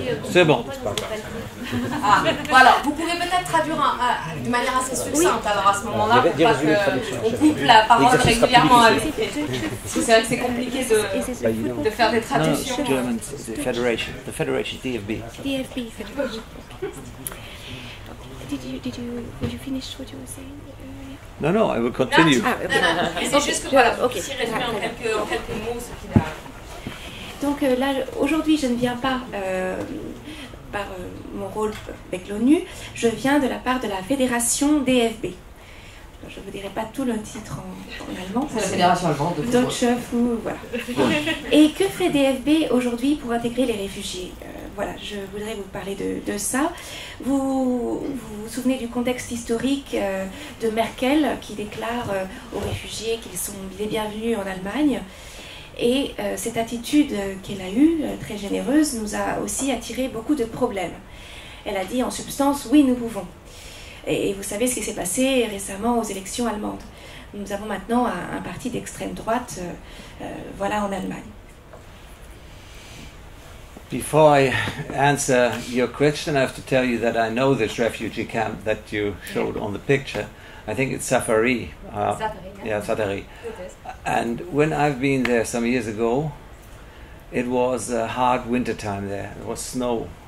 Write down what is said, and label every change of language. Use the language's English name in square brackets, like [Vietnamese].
[French] C'est bon. Ah, voilà, vous pouvez peut-être traduire de manière assez succincte alors à ce moment-là, parce que on coupe la parole régulièrement avec. Parce que c'est vrai que c'est compliqué de faire des traductions. [English] Non, German, the Federation. The Federation, DFB. DFB, Did you finish what you were saying? No, I will continue. [French] C'est juste que voilà, okay. Si résumé en quelques mots ce qu'il a. Donc là, aujourd'hui, je ne viens pas par mon rôle avec l'ONU. Je viens de la part de la fédération DFB. Je ne vous dirai pas tout le titre en allemand. C'est la fédération allemande. Deutsche Fußball, voilà. Et que fait DFB aujourd'hui pour intégrer les réfugiés? Voilà, je voudrais vous parler de ça. Vous vous souvenez du contexte historique de Merkel qui déclare aux réfugiés qu'ils sont les bienvenus en Allemagne. Et cette attitude qu'elle a eue, très généreuse, nous a aussi attiré beaucoup de problèmes. Elle a dit en substance, oui, nous pouvons. Et vous savez ce qui s'est passé récemment aux élections allemandes. Nous avons maintenant un parti d'extrême droite, voilà, en Allemagne. [English] Before I answer your question, I have to tell you that I know this refugee camp that you showed on the picture. I think it's Safari. Safari. And when I've been there some years ago, it was a hard winter time there. It was snow.